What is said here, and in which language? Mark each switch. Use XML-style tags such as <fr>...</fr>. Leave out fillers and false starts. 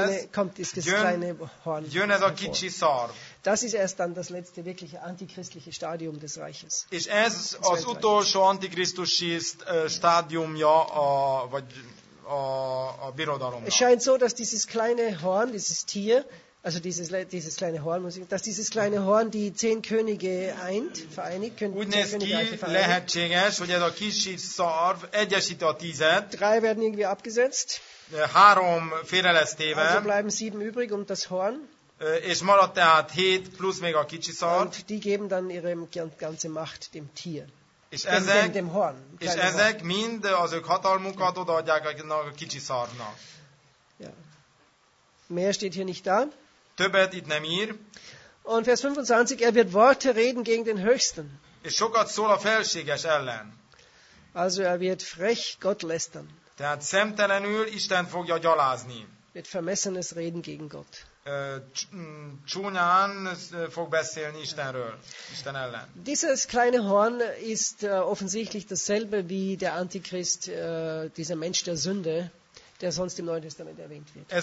<de>kommt dieses kleine Horn.</de> <hu>Ez a kicsi szarv.</hu> <de>Das ist erst dann das letzte wirkliche antichristliche Stadium des Reiches.</de> <hu>És ez az utolsó antikrisztusi stádiumja a birodalomnak.</hu> <de>Es scheint so, dass dieses kleine Horn, dieses Tier, also dieses kleine Horn, dass dieses kleine Horn die 10 Könige vereinigt.</de> <hu>Úgy néz ki, lehetséges, hogy ez a kisi szarv egyesíti a 10-et.</hu> <de>3 werden irgendwie abgesetzt.</de> <hu>3 félre lesz téve.</hu> <de>Also bleiben 7 übrig und das Horn.</de> <hu>És maradt tehát 7 plusz még a kicsi szar.</hu> <de>Und die geben dann ihre ganze Macht dem Tier.</de> <hu>És ezek, mind az ők hatalmukat odaadják a kicsi szarnak.</hu> <de>Ja. Mehr steht hier nicht da.</de> <hu>Többet itt nem ír.</hu> <de>Und Vers 25, er wird Worte reden gegen den Höchsten.</de> <hu>És sokat szól a felséges ellen.</hu> <de>Also er wird frech Gott lästern.</de> <hu>Tehát szemtelenül Isten fogja gyalázni.</hu> <de>Mit vermessenes Reden gegen Gott.</de> <hu>Csúnyán fog beszélni Istenről, Isten ellen.</hu> <de>Dieses kleine Horn ist offensichtlich dasselbe wie der Antichrist, dieser Mensch der Sünde, der sonst im Neuen Testament erwähnt wird.</de>